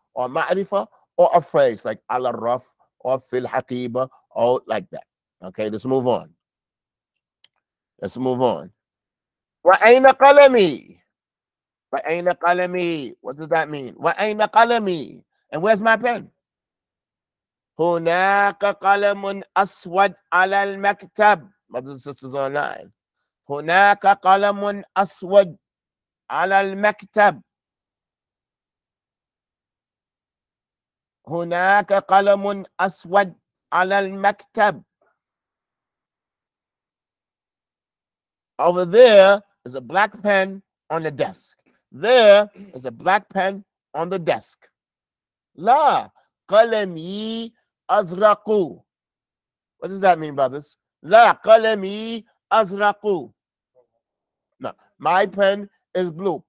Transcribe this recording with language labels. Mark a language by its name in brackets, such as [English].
[English] Or ma'rifa, or a phrase like al-raf, or fil-haqiba, or like that. Okay, let's move on. [Arabic] وَأَيْنَ قَلَمِي وَأَيْنَ قَلَمِي [English] What does that mean? [Arabic] وَأَيْنَ قَلَمِي [English] And where's my pen? [Arabic] هُنَاكَ قَلَمٌ أَسْوَدْ عَلَى الْمَكْتَبِ [English] Brothers and sisters online. [Arabic] هُنَاكَ قَلَمٌ أَسْوَدْ عَلَى الْمَكْتَبِ هناك قلم أسود على المكتب. [English] Over there is a black pen on the desk. There is a black pen on the desk. [Arabic] لا قلمي أزرق. [English] What does that mean, brothers? [Arabic] لا قلمي أزرق. [English] No, my pen is blue.